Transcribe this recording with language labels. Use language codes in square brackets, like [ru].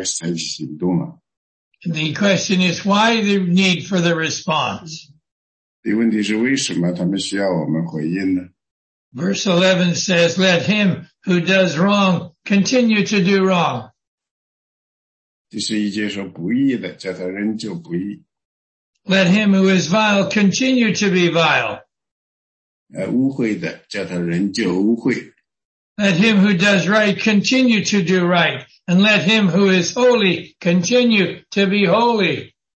[zh] 因为其实呢，那个天使跟约翰说：“你不要敬拜我，你先读到这里嘛，所以你不要封印这本书，让这本书一直开着。当其他的后来的读者读到这一段的时候，读到这里说呢，他就会说我应该开始敬拜，我应该开始采取行动了。” [en] The question is why the need for the response? [zh] 问题是为什么他们需要我们回应呢？ [en] Verse 11 says, let him who does wrong continue to do wrong. [zh] 第十一节说不义的,叫他仍旧不义。 [en] Let him who is vile continue to be vile. [zh] 污秽的,叫他仍旧污秽。 [en] Let him who does right continue to do right, and let him who is holy continue to be holy.